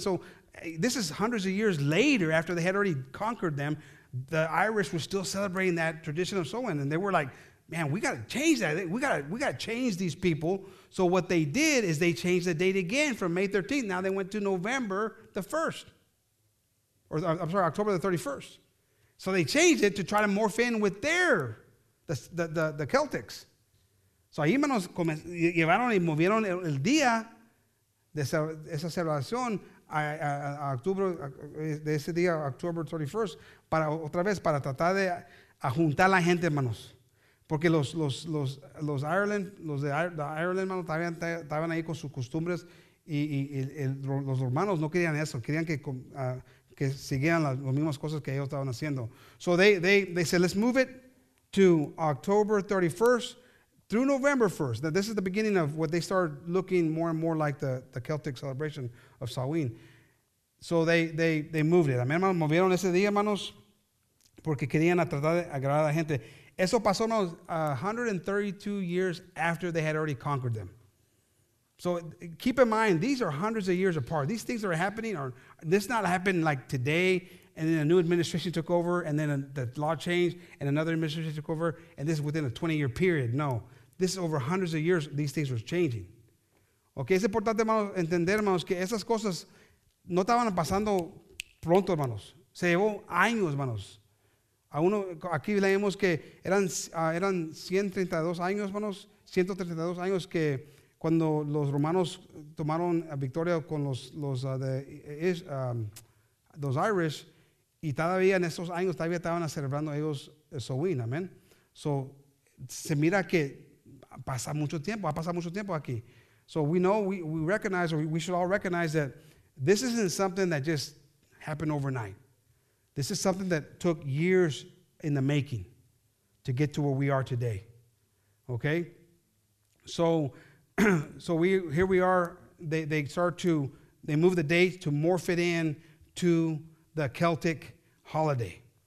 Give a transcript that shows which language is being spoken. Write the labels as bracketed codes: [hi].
[en] So this is hundreds of years later, after they had already conquered them, the Irish were still celebrating that tradition of Samhain, and they were like, man, we got to change that. We got to change these people. So what they did is they changed the date again from May 13th. Now they went to November the 1st. Or I'm sorry, October the 31st. So they changed it to try to morph in with the Celtics. [es] So ahí menos llevaron y movieron el día de esa celebración a octubre, de ese día, [en] October 31st, [es] para otra vez, para tratar de juntar la gente, hermanos. Porque los Ireland, los de Ireland, hermanos, estaban ahí con sus costumbres y los romanos no querían eso, querían que siguieran las mismas cosas que ellos estaban haciendo. [en] So they said, let's move it to October 31st through November 1st. Now, this is the beginning of what they started looking more and more like the Celtic celebration of Samhain. So they moved it. [es] Amén, hermanos, movieron ese día, hermanos, porque querían tratar de agradar a la gente. Eso pasó [en] 132 years after they had already conquered them. So keep in mind, these are hundreds of years apart. These things that are happening, this not happened like today, and then a new administration took over, and then the law changed, and another administration took over, and this is within a 20-year period. No, this is over hundreds of years, these things were changing. [es] Okay, es importante, hermanos, entender, hermanos, que esas cosas no estaban pasando pronto, hermanos. Se llevó años, hermanos. Aquí leemos que eran 132 años, hermanos, 132 años que cuando los romanos tomaron victoria con los Irish, y todavía en esos años todavía estaban celebrando ellos Samhain, amén. So se mira que ha pasado mucho tiempo aquí. [en] So we know, we should all recognize that this isn't something that just happened overnight. This is something that took years in the making to get to where we are today. Okay? So we here we are. They move the date to morph it in to the Celtic holiday.